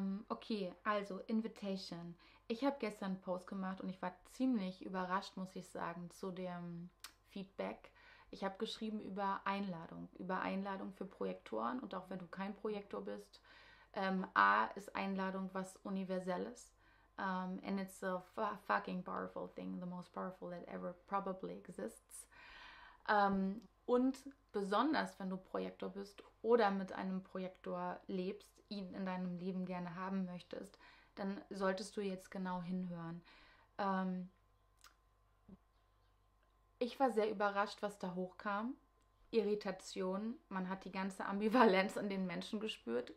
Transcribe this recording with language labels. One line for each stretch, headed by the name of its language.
German: Okay, also Invitation. Ich habe gestern einen Post gemacht und ich war ziemlich überrascht, muss ich sagen, zu dem Feedback. Ich habe geschrieben über Einladung für Projektoren und auch wenn du kein Projektor bist. A ist Einladung was Universelles.
English: And it's a fucking powerful thing, the most powerful that ever probably exists.
German: Und besonders wenn du Projektor bist oder mit einem Projektor lebst, ihn in deinem Leben gerne haben möchtest, dann solltest du jetzt genau hinhören. Ich war sehr überrascht, was da hochkam. Irritation, man hat die ganze Ambivalenz in den Menschen gespürt.